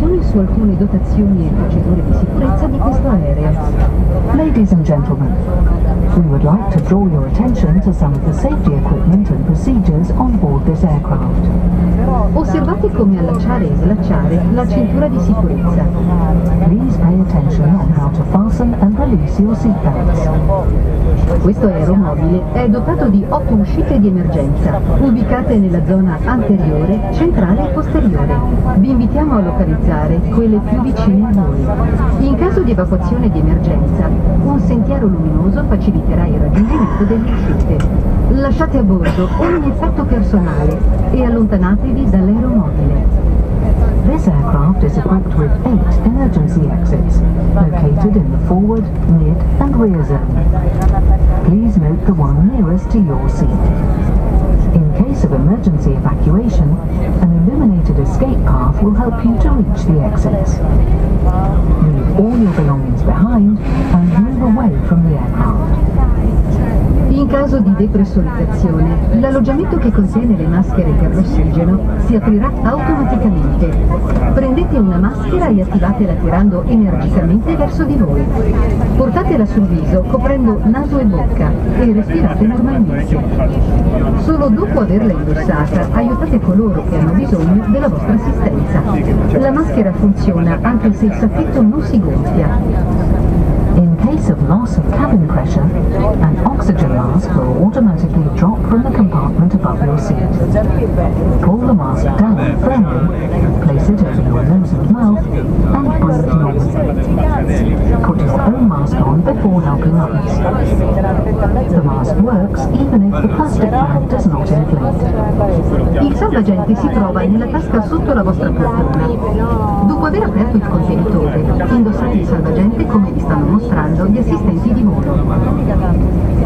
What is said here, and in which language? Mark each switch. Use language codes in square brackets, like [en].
[it] Su alcune dotazioni e procedure di sicurezza di questo aereo. [en] Ladies and gentlemen, we would like to draw your attention to some of the safety equipment and procedures on board this aircraft. [it] Osservate come allacciare e slacciare la cintura di sicurezza. [en] Please pay attention on how to fasten and release your seat belts. [it] Questo aeromobile è dotato di 8 uscite di emergenza, ubicate nella zona anteriore, centrale e posteriore. Vi invitiamo a localizzare quelle più vicine a voi. In caso di evacuazione di emergenza, un sentiero luminoso faciliterà il raggiungimento delle uscite. Lasciate a bordo ogni effetto personale e allontanatevi dall'aeromobile. [en] This aircraft is equipped with 8 emergency exits, located in the forward, mid and rear zone. Please note the one nearest to your seat. In case of emergency evacuation, an illuminated escape path will help you to reach the exits. Leave all your belongings behind and move away from the aircraft. [it] In caso di depressurizzazione, l'alloggiamento che contiene le maschere per l'ossigeno si aprirà automaticamente. Prendete una maschera e attivatela tirando energicamente verso di voi. Portatela sul viso coprendo naso e bocca e respirate normalmente. Solo dopo averla indossata, aiutate coloro che hanno bisogno della vostra assistenza. La maschera funziona anche se il sacchetto non si gonfia. [en] Of loss of cabin pressure, an oxygen mask will automatically drop from the compartment above your seat. Pull the mask down firmly, place it over your nose and mouth, and breathe normally. Put your own mask on before helping others. The mask works even if the plastic bag does not inflate. [it] Il salvagente si trova nella tasca sotto la vostra poltrona. Dopo aver aperto il contenitore, indossate il salvagente come vi stanno mostrando gli assistenti di volo.